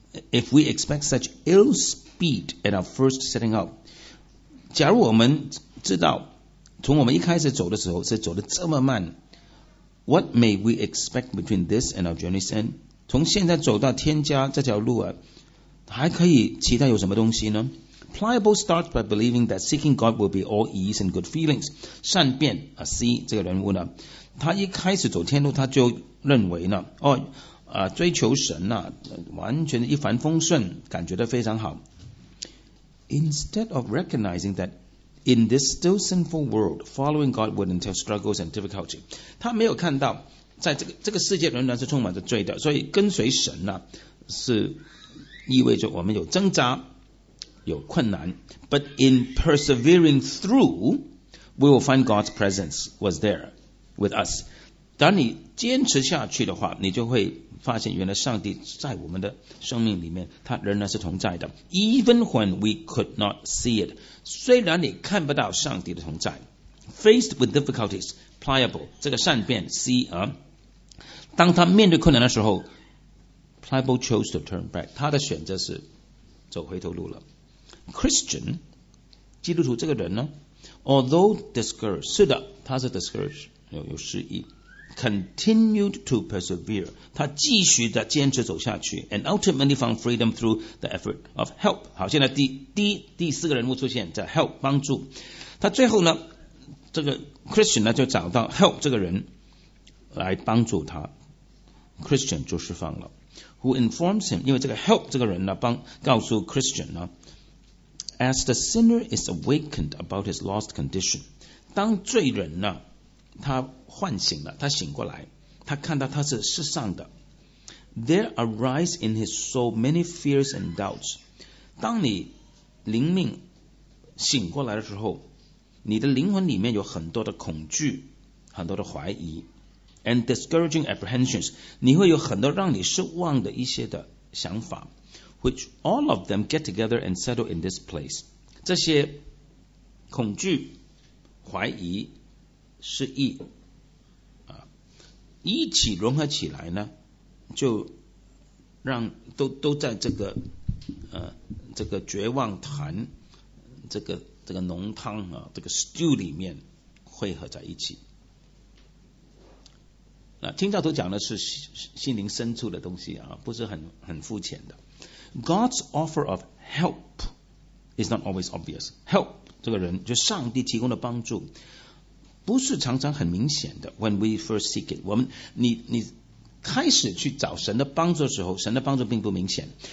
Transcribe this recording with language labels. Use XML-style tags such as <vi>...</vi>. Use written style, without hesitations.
<en>If we expect such ill speed at our first setting up，</en> <zh>假如我们知道从我们一开始走的时候是走得这么慢，</zh> <en>What may we expect between this and our journey's end？</en> <zh>从现在走到天家这条路啊，还可以期待有什么东西呢？</zh> <en>Pliable starts by believing that seeking God will be all ease and good feelings。</en> <zh>善变 C 这个人物呢，他一开始走天路他就认为呢，追求神啊，完全一帆风顺，感觉得非常好。</zh> <en>Instead of recognizing thatIn this still sinful world, following God would entail struggles and difficulty.</en> <zh>他没有看到，在这个世界仍然是充满着罪的，所以跟随神呢，是意味着我们有挣扎，有困难。</zh> <en>But in persevering through, we will find God's presence was there with us.</en> <zh>当你坚持下去的话，你就会发现原来上帝在我们的生命里面他仍然是同在的。</zh> <en>Even when we could not see it，</en> <zh>虽然你看不到上帝的同在。</zh> <en>Faced with difficulties， Pliable</en> <zh>这个善变 C 当他面对困难的时候，</zh> <en>Pliable chose to turn back，</en> <zh>他的选择是走回头路了。</zh> <en>Christian</en> <zh>基督徒这个人呢，</zh> <en>although discouraged，</en> <zh>是的他是 discouraged， 有失意，</zh> <en>Continued to persevere，</en> <zh>他继续的坚持走下去，</zh> <en>and ultimately found freedom through the effort of help。</en> <zh>好，现在第四个人物出现叫 help 帮助，他最后呢这个 Christian 呢就找到 help 这个人，来帮助他 ，Christian 就释放了。</zh> <en>Who informs him？</en> <zh>因为这个 help 这个人呢，帮告诉 Christian 呢 ，</zh> <en>As the sinner is awakened about his lost condition，</en> <zh>当罪人呢，他唤醒了，他醒过来，他看到他是世上的。</zh> <en>There arise in his soul many fears and doubts。</en> <zh>当你灵命醒过来的时候，你的灵魂里面有很多的恐惧，很多的怀疑。</zh> <en>And discouraging apprehensions，</en> <zh>你会有很多让你失望的一些的想法</zh> <en>，which all of them get together and settle in this place。</en> <zh>这些恐惧、怀疑、失意啊，一起融合起来呢，就让都在这个这个绝望潭，这个浓汤啊，这个 stew 里面汇合在一起。听教徒讲的是心灵深处的东西啊，不是很肤浅的。</zh> <en>God's offer of help is not always obvious.</en> <zh>Help 这个人就上帝提供的帮助，不是常常很明显的。</zh> <en>When we first seek it，</en> <zh>你开始去找神的帮助的时候，神的帮助并不明显。</zh>